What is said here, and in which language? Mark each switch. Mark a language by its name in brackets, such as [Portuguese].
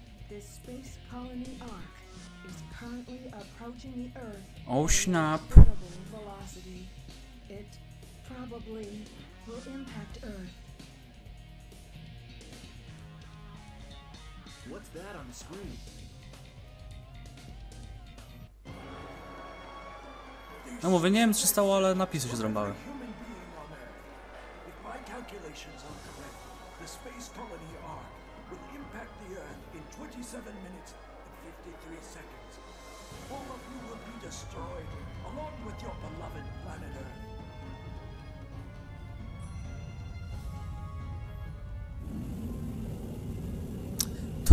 [English] This space colony Ark is currently approaching the Earth. Oh snap! Velocity. It probably will impact Earth. What's that on the screen? [Polish] No mówię, nie wiem co się stało, ale napisy się zrąbały. [English] Calculations are correct. The space colony Ark will impact the Earth in 27 minutes and 53 seconds. All of you will be destroyed, along with your beloved planet Earth.